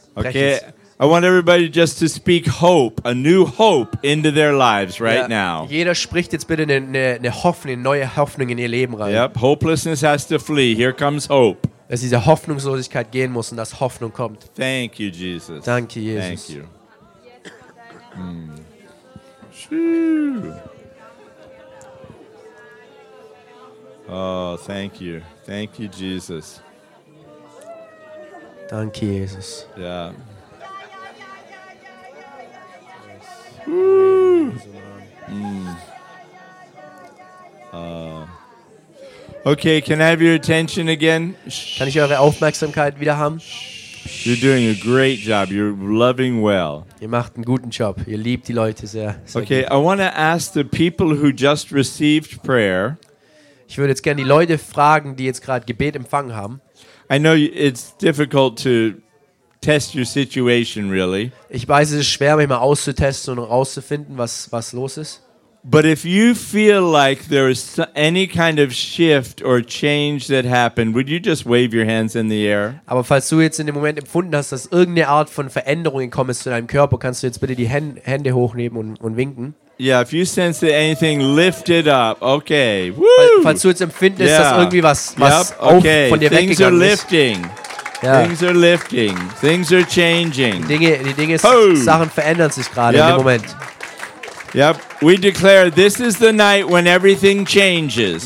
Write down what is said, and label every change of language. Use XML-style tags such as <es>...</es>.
<en>Okay, I want everybody just to speak hope, a new hope into their lives right ja, now.</en> <de>Jeder spricht jetzt bitte eine Hoffnung, eine neue Hoffnung in ihr Leben rein.</de> <en>Yep, hopelessness has to flee. Here comes hope.</en> <de>Dass diese Hoffnungslosigkeit gehen muss und dass Hoffnung kommt.</de> <en>Thank you, Jesus.</en> <de>Danke, Jesus.</de> <en>Thank you. Oh, thank you. Thank you, Jesus. Thank you, Jesus. Yeah. Okay, can I have your attention again?</en> <de>Kann ich eure Aufmerksamkeit wieder haben?</de> <en>You're doing a great job. You're loving well.</en> <de>Ihr macht einen guten Job. Ihr liebt die Leute sehr.</de> <en>Okay, I want to ask the people who just received prayer.</en> <de>Ich würde jetzt gerne die Leute fragen, die jetzt gerade Gebet empfangen haben.</de> <en>I know it's difficult to test your situation really.</en> <de>Ich weiß, es ist schwer, mich mal auszutesten und rauszufinden, was los ist.</de> <en>But if you feel like there is any kind of shift or change that happened, would you just wave your hands in the air?</en> <de>Aber falls du jetzt in dem Moment empfunden hast, dass irgendeine Art von Veränderung gekommen ist zu deinem Körper, kannst du jetzt bitte die Hände hochnehmen und winken.</de> <en>Yeah, if you sense that anything lifted up, okay. Woo!</en> <de>Falls du jetzt empfindest, yeah. Dass irgendwie was yep.</de> <en>Okay.</en> <de>Von dir</de> <en>things are lifting. Yeah. Things are lifting. Things are changing.</en> <de>Die Dinge, Sachen verändern sich gerade yep. In dem Moment.</de> <en>Yep. We declare this is the night when everything changes.</en>